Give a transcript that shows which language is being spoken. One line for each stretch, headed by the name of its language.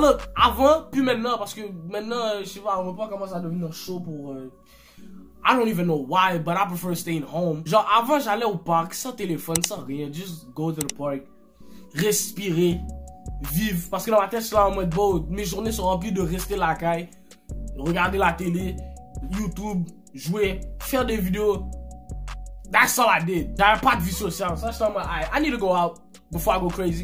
English: Look,
French: avant, puis maintenant, parce que maintenant, je sais pas, on veut pas commencer à devenir chaud pour.
English: I don't even know why, but I prefer staying home.
French: Genre, avant, j'allais au parc sans téléphone, sans rien.
English: Just go to the park.
French: Respirer. Vivre. Parce que dans ma tête, je suis là en mode beau. Mes journées sont remplies de rester la caille. Regarder la télé, YouTube, jouer, faire des vidéos.
English: That's all I did.
French: J'avais pas de vie sociale. Ça, je suis en mode,
English: I need to go out before I go crazy.